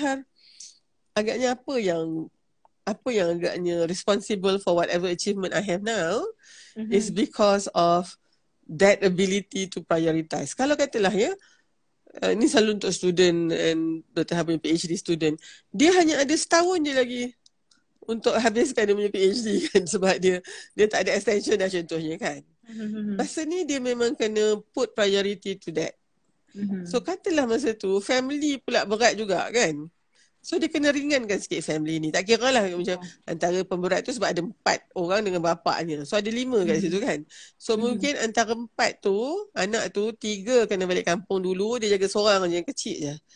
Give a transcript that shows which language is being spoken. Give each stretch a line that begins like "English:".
English: Har,
Malay: agaknya apa yang agaknya
English: responsible for whatever achievement I have now is because of that ability to prioritize.
Malay: Kalau katalah ya, ni selalu untuk student and Dr. Har punya PhD student, dia hanya ada setahun je lagi untuk habiskan dia punya PhD kan, sebab dia tak ada extension dah contohnya kan. Masa ni dia memang kena
English: put priority to that.
Malay: So katalah masa tu family pula berat juga kan. So dia kena ringankan sikit family ni. Tak kira lah macam antara pemberat tu, sebab ada empat orang dengan bapaknya. So ada lima kat situ kan. So mungkin antara empat tu, anak tu tiga kena balik kampung dulu, dia jaga seorang je yang kecil je.